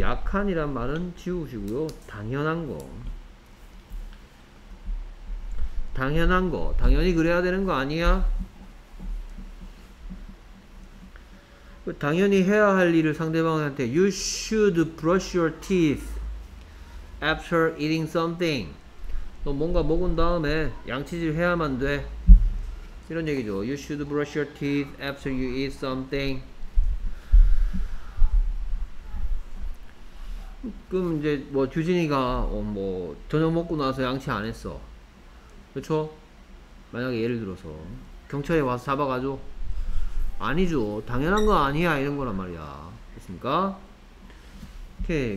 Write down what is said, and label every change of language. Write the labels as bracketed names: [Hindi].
[Korean] 약한이란 말은 지우시고요. 당연한 거 당연한 거 당연히 그래야 되는 거 아니야? 당연히 해야 할 일을 상대방한테 [English] You should brush your teeth after eating something. [Korean] 너 뭔가 먹은 다음에 양치질 해야만 돼. 이런 얘기죠. [English] You should brush your teeth after you eat something. [Korean] 그럼 이제 뭐 규진이가 뭐 저녁 먹고 나서 양치 안 했어. 그렇죠? 만약에 예를 들어서 경찰에 와서 잡아가죠? 아니죠. 당연한 거 아니야. 이런 거란 말이야. 됐습니까? 오케이.